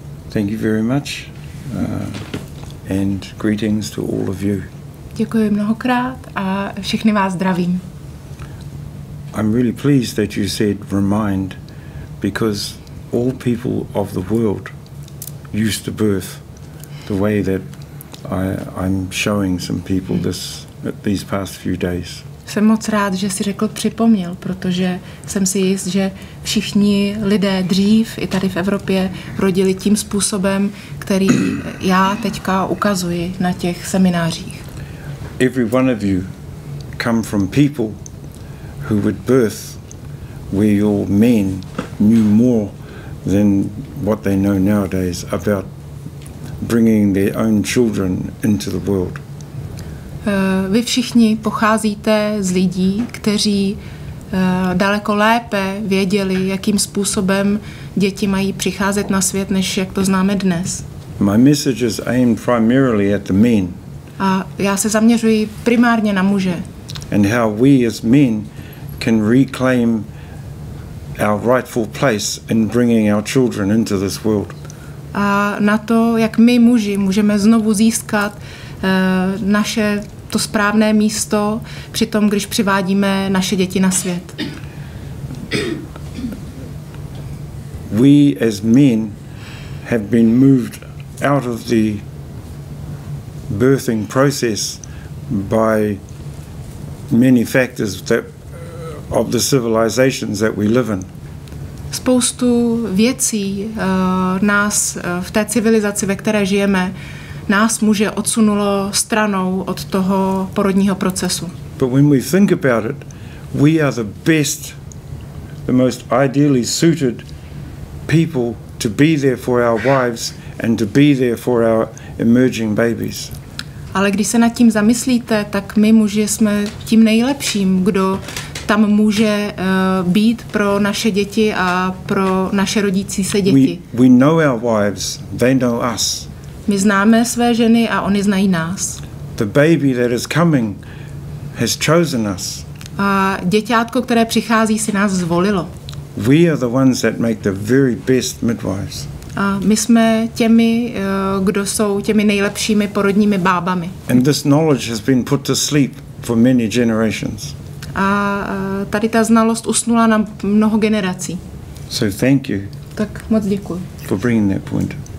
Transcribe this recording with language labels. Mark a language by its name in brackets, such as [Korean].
[English] Thank you very much and greetings to all of you. [Czech] Děkuji mnohokrát a všechny vás zdravím. [English] I'm really pleased that you said remind, because all people of the world used to birth the way that I'm showing some people this at these past few days. [Czech] Jsem moc rád, že jsi řekl připomněl, protože jsem si jist, že všichni lidé dřív i tady v Evropě rodili tím způsobem, který já teďka ukazuji na těch seminářích. [English] Every one of you come from people who would birth where your men knew more than what they know nowadays about bringing their own children into the world. [Czech] Vy všichni pocházíte z lidí, kteří daleko lépe věděli, jakým způsobem děti mají přicházet na svět, než jak to známe dnes. [English] My message is aimed primarily at the men. [Czech] A já se zaměřuji primárně na muže. [English] And how we as men can reclaim our rightful place in bringing our children into this world. [Czech] A na to, jak my muži můžeme znovu získat naše to správné místo při tom, když přivádíme naše děti na svět. [English] We as men have been moved out of the birthing process by many factors that of the civilizations that we live in. [Czech] Spoustu věcí nás v té civilizaci, ve které žijeme, nás muže odsunulo stranou od toho porodního procesu. [English] But when we think about it, we are the best, the most ideally suited people to be there for our wives and to be there for our emerging babies. [Czech] Ale když se nad tím zamyslíte, tak my muži jsme tím nejlepším, kdo tam může být pro naše děti a pro naše rodící se děti. [English] We know our wives, they know us. [Czech] My známe své ženy a oni znají nás. [English] The baby that is coming has chosen us. [Czech] A děťátko, které přichází, si nás zvolilo. [English] We are the ones that make the very best midwives. [Czech] A my jsme těmi, kdo jsou těmi nejlepšími porodními bábami. [English] And this knowledge has been put to sleep for many generations. [Czech] A tady ta znalost usnula na mnoho generací. [English] So thank you. [Czech] Tak moc děkuji. [English] For bringing that point.